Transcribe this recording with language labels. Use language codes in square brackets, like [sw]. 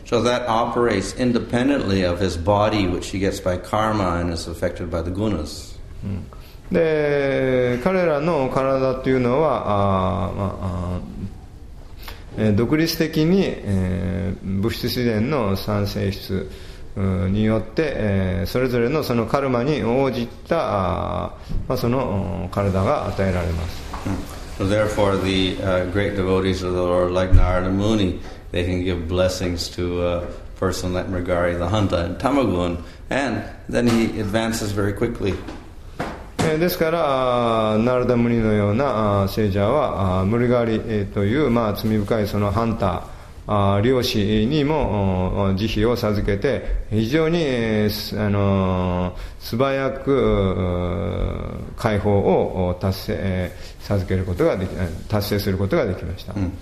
[en] So that operates independently of his body, which he gets by karma and is affected by the gunas. [ja] で、彼らの体というのは独立的に物質自然の三性質によってそれぞれのそのカルマに応じたその体が与えられます。 [en] So therefore, the great devotees of the Lord, like Narada Muni, they can give blessings to a person like Mrigari the Hunter and Tamagun, and then he advances very quickly. [ja] ですから、ナルダムニのような聖者は、ムリガリという、罪深いそのハンター、漁師にも慈悲を授けて、非常に、素早く解放を達成することができました。